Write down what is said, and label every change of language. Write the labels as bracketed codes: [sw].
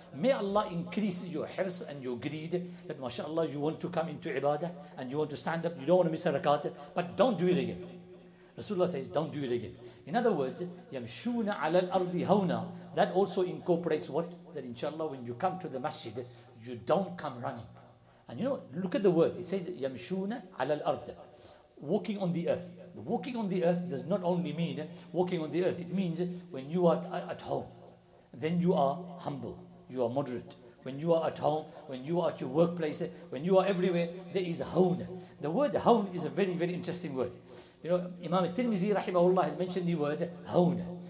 [en] May Allah increase your hirs and your greed that mashallah you want to come into ibadah and you want to stand up, you don't want to miss a rakat, but don't do it again. Rasulullah says, don't do it again. In other words, yamshuna ala al-ardi hawna, that also incorporates what? That inshallah when you come to the masjid, you don't come running. And you know, look at the word. [ar] It says, يَمْشُونَ عَلَى الْأَرْضِ. [en] Walking on the earth. Walking on the earth does not only mean walking on the earth. It means when you are at home, then you are humble. You are moderate. When you are at home, when you are at your workplace, when you are everywhere, there is hawn. The word hawn is a very, very interesting word. You know, Imam al-Tirmizi, rahimahullah, has mentioned the word hawn.